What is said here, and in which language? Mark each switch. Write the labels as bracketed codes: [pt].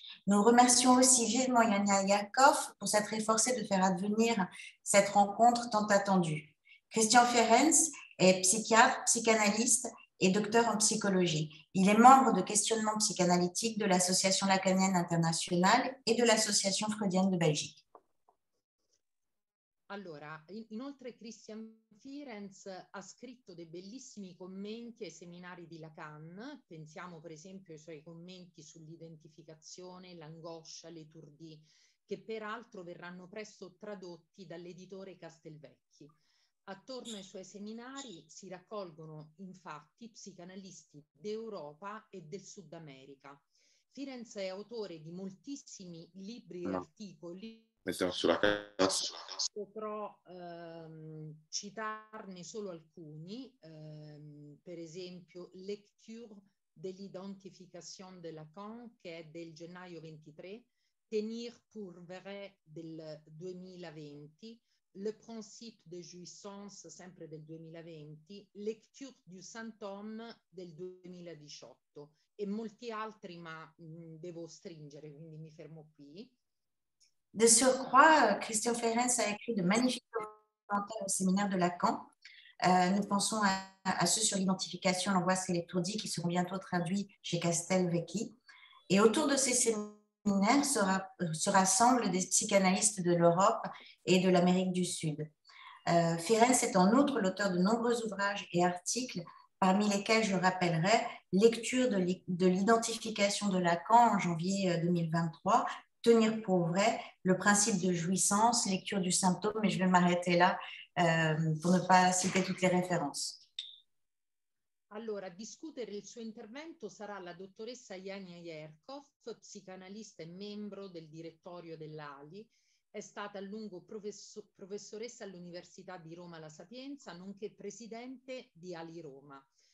[fr] Nous remercions aussi vivement Yania Yakov pour s'être efforcée de faire advenir cette rencontre tant attendue. Christian Ferenc est psychiatre, psychanalyste et docteur en psychologie. Il est membre de Questionnement psychanalytique de l'Association Lacanienne Internationale et de l'Association Freudienne de Belgique. [it] Allora, inoltre Christian Firenze ha scritto dei bellissimi commenti ai seminari di Lacan, pensiamo per esempio ai suoi commenti sull'identificazione, l'angoscia, l'étourdi, che peraltro verranno presto tradotti dall'editore Castelvecchi. Attorno ai suoi seminari si raccolgono infatti psicanalisti d'Europa e del Sud America. Firenze è autore di moltissimi libri e No, articoli. mettiamo sulla cassa. Potrò citarne solo alcuni, per esempio Lecture de l'identification de Lacan, che è del gennaio 23, Tenir pour vrai del 2020, Le principe de jouissance, sempre del 2020, Lecture du symptôme del 2018 e molti altri, ma devo stringere, quindi mi fermo qui. [fr] De surcroît, Christian Ferenc a écrit de magnifiques commentaires au séminaire de Lacan. Nous pensons à ceux sur l'identification, l'angoisse et l'étourdi qui seront bientôt traduits chez Castelvecchi. Et autour de ces séminaires se rassemblent des psychanalystes de l'Europe et de l'Amérique du Sud. Ferenc est en outre l'auteur de nombreux ouvrages et articles, parmi lesquels je rappellerai Lecture de l'identification de Lacan en janvier 2023. Tenir pour vrai le principe de jouissance, lecture du symptôme, mais je vais m'arrêter là pour ne pas citer toutes les références. [it] Allora, a discutere il suo intervento sarà la dottoressa Jania Jerkov, psicanalista e membro del direttorio dell'ALI. È stata a lungo professoressa all'Università di Roma La Sapienza, nonché presidente di ALI Roma.